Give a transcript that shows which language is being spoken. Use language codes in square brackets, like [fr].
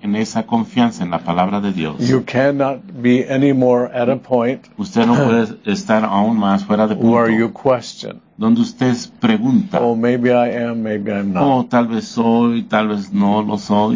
[es] En esa confianza en la palabra de Dios. [en] You cannot be any more at a point [es] usted no puede estar aún más fuera de punto [en] where you question. [es] Donde usted pregunta. [en] Oh, maybe I am, maybe I'm not. [es] Oh, tal vez soy, tal vez no lo soy.